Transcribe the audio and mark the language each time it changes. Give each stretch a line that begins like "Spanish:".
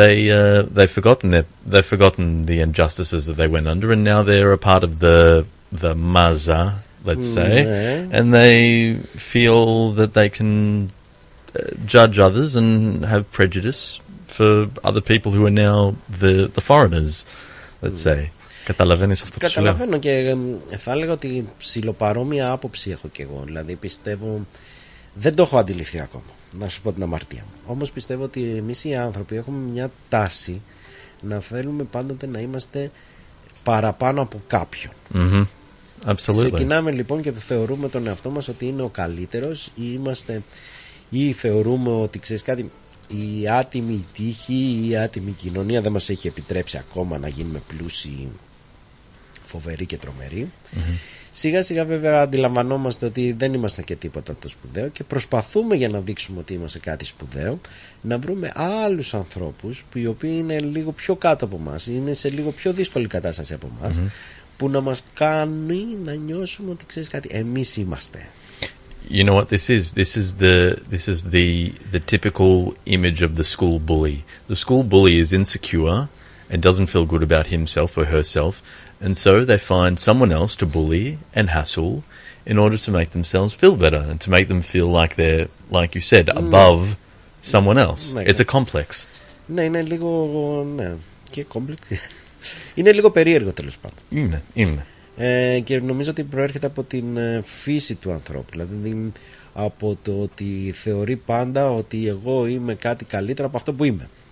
English: They've forgotten the injustices that they went under, and now they're a part of the maza, let's say, and they feel that they can judge others and have prejudice for other people who are now the foreigners, let's say.
Greek: Καταλαβαίνεις αυτό? Καταλαβαίνω και θα έλεγα ότι ψιλοπαρόμοια άποψη έχω και εγώ, δηλαδή πιστεύω, δεν το έχω αντιληφθεί ακόμα. Να σου πω την αμαρτία μου. Όμως πιστεύω ότι εμείς οι άνθρωποι έχουμε μια τάση να θέλουμε πάντοτε να είμαστε παραπάνω από κάποιον.
English: Mm-hmm. Absolutely.
Greek: Ξεκινάμε λοιπόν και θεωρούμε τον εαυτό μας ότι είναι ο καλύτερος ή είμαστε ή θεωρούμε ότι ξέρεις κάτι, η άτιμη τύχη ή η άτιμη κοινωνία δεν μας έχει επιτρέψει ακόμα να γίνουμε πλούσιοι, φοβεροί και τρομεροί. Mm-hmm. Σιγά σιγά βέβαια αντιλαμβανόμαστε ότι δεν είμαστε και τίποτα το σπουδαίο και προσπαθούμε για να δείξουμε ότι είμαστε κάτι σπουδαίο να βρούμε άλλους ανθρώπους που οι οποίοι είναι λίγο πιο κάτω από εμάς, είναι σε λίγο πιο δύσκολη κατάσταση από εμάς, mm-hmm. που να μας κάνει να νιώσουμε ότι ξέρεις κάτι, εμείς είμαστε.
English: You know what this is? This is the typical image of the school bully. The school bully is insecure and doesn't feel good about himself or herself. And so they find someone else to bully and hassle in order to make themselves feel better and to make them feel like they're, like you said, above ναι. Someone else. Ναι, it's a complex.
Greek: Ναι, είναι λίγο, ναι, και complex. Είναι λίγο περίεργο τέλος πάντων. Είναι, είναι. Και νομίζω ότι προέρχεται από την φύση του ανθρώπου. Δηλαδή από το ότι θεωρεί πάντα ότι εγώ είμαι κάτι καλύτερο από αυτό που είμαι.